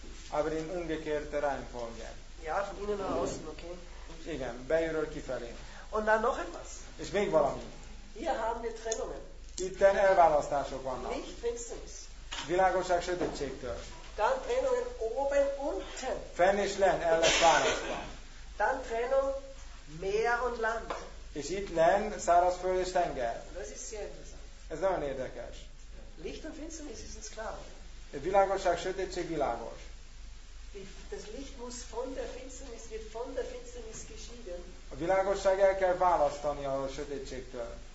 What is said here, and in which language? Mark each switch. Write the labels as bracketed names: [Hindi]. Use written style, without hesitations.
[German] Aber in umgekehrter Reihenfolge. Ja, von innen nach außen, okay? [Hungarian] Igen, belülről kifelé. [German] Und dann noch etwas. [Hungarian] És még valami. [German] Hier haben wir Trennungen. [Hungarian] Itten elválasztások vannak. [German] Nicht Finsternis. [Hungarian] Világosság sötétségtől. [German] Dann Trennungen oben unten. [Hungarian] Fenn és len, el lesz választva. [German] Dann Trennung Meer und Land. [Hungarian] És itt len, szárazföld és tenger. [German] Das ist sehr interessant. [Hungarian] Ez nagyon érdekes. [German] Licht und Finsternis ist uns klar. [Hungarian] Világosság sötétség világos. [German] Das Licht muss von der Finsternis wird von der Finsternis geschieden. [Hungarian] A világosság el kell választani a sötétségtől.